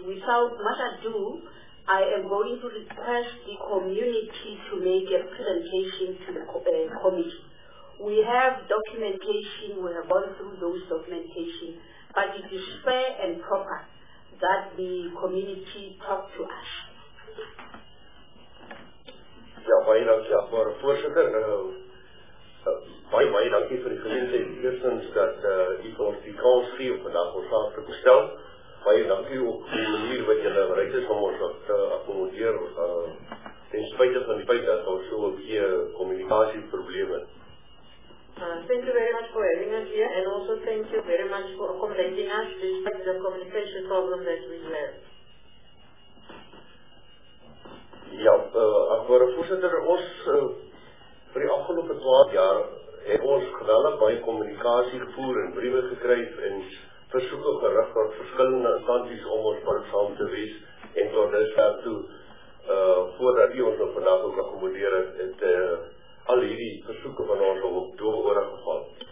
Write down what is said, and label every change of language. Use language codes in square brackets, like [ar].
[en] Without much ado, I am going to request the community to make a presentation to the committee. We have documentation, we have gone through those documentation, but it is fair and proper that the community talk to us. [af] Ja, baie dankie, agbare voorsitter. Baie dankie vir die geleentheid eersens dat u vir ons die kans gee om vandag ons vraag te stel. Baie dankie ook vir die manier wat julle bereid is om ons te akkommodeer, ten spyte van die feit dat ons so 'n bietjie kommunikasieprobleme het. [en] Thank you very much for having us here, and also thank you very much for accommodating us despite the communication problem that we have. [af] Ja, ek word voorsitter, ons vir die afgelope 12 jaar het ons geweldig baie kommunikasie gevoer en briewe gekry en versoeke gerig van verskillende instansies om ons park saam te wees, en tot dusver toe voordat u ons nou vandag ook akkommodeer het, het al hierdie versoeke van ons op doorgehore geval.